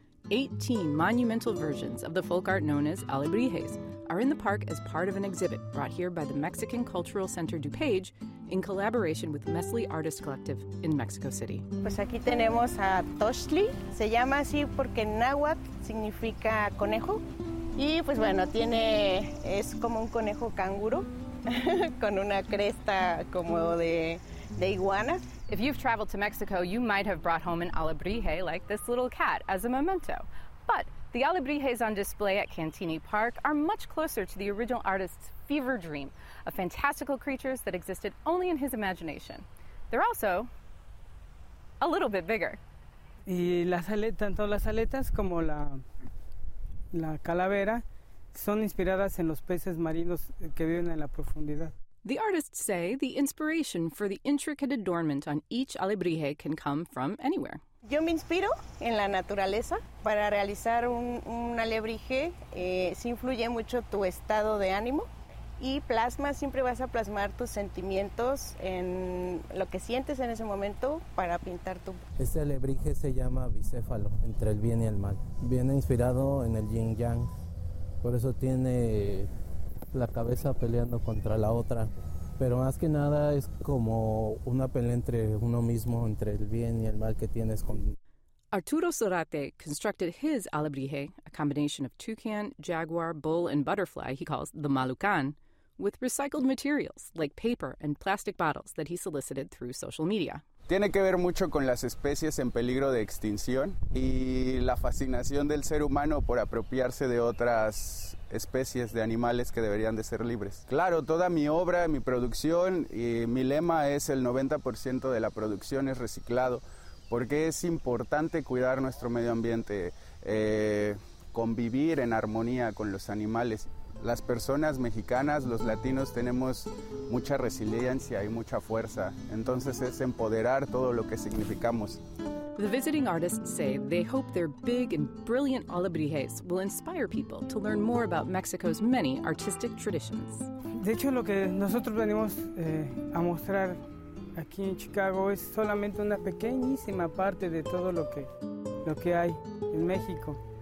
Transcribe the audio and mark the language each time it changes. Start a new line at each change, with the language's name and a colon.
English: 18 monumental versions of the folk art known as alebrijes are in the park as part of an exhibit brought here by the Mexican Cultural Center DuPage in collaboration with Mesli Artist Collective in Mexico City.
Spanish: Pues aquí tenemos a Toshli. Se llama así porque en náhuatl significa conejo. Y pues bueno, tiene, es como un conejo canguro con una cresta como de iguana.
English: If you've traveled to Mexico, you might have brought home an alebrije like this little cat as a memento. But the alebrijes on display at Cantini Park are much closer to the original artist's fever dream of fantastical creatures that existed only in his imagination. They're also a little bit bigger.
Spanish: Y las aletas, tanto las aletas como la... La calavera son inspiradas en los peces marinos que viven en la profundidad.
English: The artists say the inspiration for the intricate adornment on each alebrije can come from anywhere.
Spanish: Yo me inspiro en la naturaleza. Para realizar un alebrije, sí influye mucho tu estado de ánimo. Y plasma, siempre vas a plasmar tus sentimientos en lo que sientes en ese momento para pintar tu... Este alebrije se llama bicéfalo, entre el bien y el mal. Viene inspirado en el yin yang, por eso tiene la cabeza peleando contra la otra. Pero más que nada es como una pelea entre uno mismo, entre el bien y el mal que tienes con...
English: Arturo Sorate constructed his alebrije, a combination of toucan, jaguar, bull, and butterfly, he calls the malucan, with recycled materials like paper and plastic bottles that he solicited through social media.
Spanish: Tiene que ver mucho con las especies en peligro de extinción y la fascinación del ser humano por apropiarse de otras especies de animales que deberían de ser libres. Claro, toda mi obra, mi producción y mi lema es el 90% de la producción es reciclado. Porque es importante cuidar nuestro medio ambiente, convivir en armonía con los animales. las personas mexicanas, los latinos, tenemos mucha resiliencia y mucha fuerza. Entonces es empoderar todo lo que significamos.
English: The visiting artists say they hope their big and brilliant alebrijes will inspire people to learn more about Mexico's many artistic traditions.
Spanish: De hecho, lo que nosotros venimos a mostrar aquí en Chicago es solamente una pequeñísima parte de todo lo que hay en México.